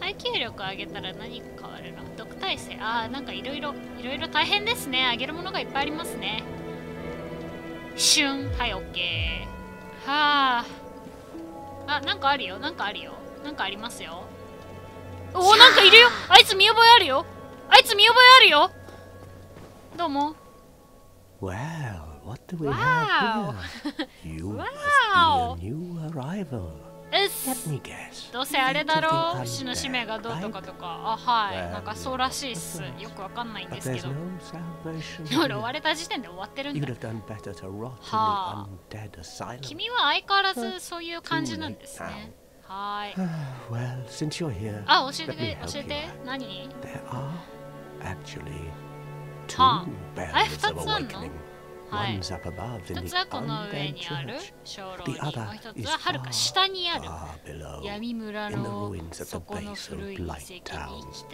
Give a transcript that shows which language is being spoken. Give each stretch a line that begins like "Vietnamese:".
Japanese: 耐久力上げたら何か変わるの、毒耐性、あーなんかいろいろいろいろ大変ですね、上げるものがいっぱいありますね。シュン、はい、オッケー。はあ、あなんかあるよ、なんかあるよ、なんかありますよ。おお、なんかいるよ、あいつ見覚えあるよ、あいつ見覚えあるよ、どうも。
English: わー、What do we have here? You must be a new arrival. Let me guess.
Japanese: どうせあれだろう、節の使命がどうとかとか。あ、はい。なんかそうらしいっす。よくわかんないんですけど。でも、追われた時点で終わってるんだ。はぁ。君は相変わらずそういう感じなんですね。はい。
English: Well, since you're here,
Japanese: あ、教えて、教えて。何？
English: There are actually two bells of awakening. one's up above in the undead church. The other is far, far below, in the ruins at the base of Blight Town.